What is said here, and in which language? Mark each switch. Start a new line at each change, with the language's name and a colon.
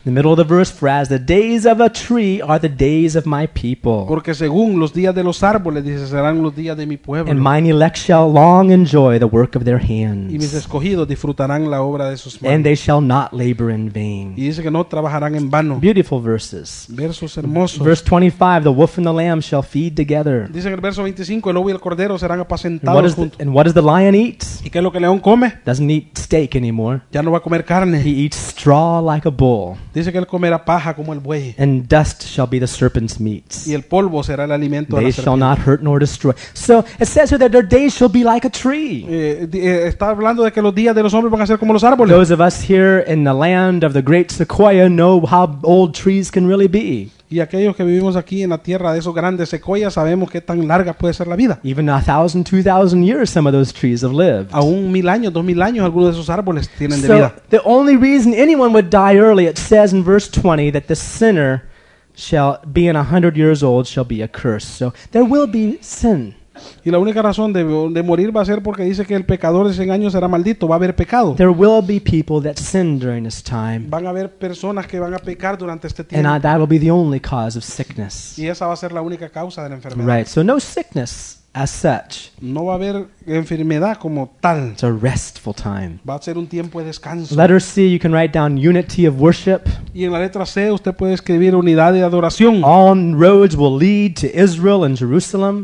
English: The middle of the verse, for as the days of a tree are the days of my people.
Spanish: Porque según los días de los árboles, dice, serán los días de mi pueblo.
English: And mine elect shall long enjoy the work of their hands.
Spanish: Y mis escogidos disfrutarán la obra de sus manos.
English: And they shall not labor in vain.
Spanish: Y dice que no trabajarán en vano.
English: Beautiful verses.
Spanish: Versos hermosos.
English: Verse 25, the wolf and the lamb shall feed together.
Spanish: Dice en el verso 25, el lobo y el cordero serán apacentados juntos.
English: And what does the lion eat?
Spanish: ¿Y qué es lo que el león come?
English: Doesn't eat steak anymore.
Spanish: Ya no va a comer carne.
English: He eats straw like a bull.
Spanish: Dice que él comerá paja como el buey.
English: And dust shall be the serpent's meat.
Spanish: Y el polvo será el alimento de la
English: serpiente. They shall not hurt nor destroy. So it says here that their days shall be like a tree.
Spanish: Está hablando de que los días de los hombres van a ser como los árboles.
English: Those of us here in the land of the great sequoia know how old trees can really be.
Spanish: Y aquellos que vivimos aquí en la tierra de esos grandes secoyas sabemos qué tan larga puede ser la vida.
English: Even 1,000, 2,000 years, some of those trees have lived.
Spanish: Aún 1,000 años, 2,000 años, algunos de esos árboles tienen de
English: so,
Spanish: vida.
English: The only reason anyone would die early, it says in verse 20 that the sinner shall be in 100 years old shall be accursed. So there will be sin.
Spanish: Y la única razón de morir va a ser porque dice que el pecador de 100 años será maldito, va a haber pecado.
English: There will be people that sin during this time.
Spanish: Van a haber personas que van a pecar durante este tiempo.
English: And that will be the only cause of sickness.
Spanish: Y esa va a ser la única causa de la enfermedad.
English: Right, so no sickness as such.
Spanish: No va a haber enfermedad como tal.
English: It's a restful time.
Spanish: Va a ser un tiempo de descanso.
English: Letter C, you can write down unity of worship.
Spanish: Y en la letra C usted puede escribir unidad de adoración.
English: All roads will lead to Israel and Jerusalem.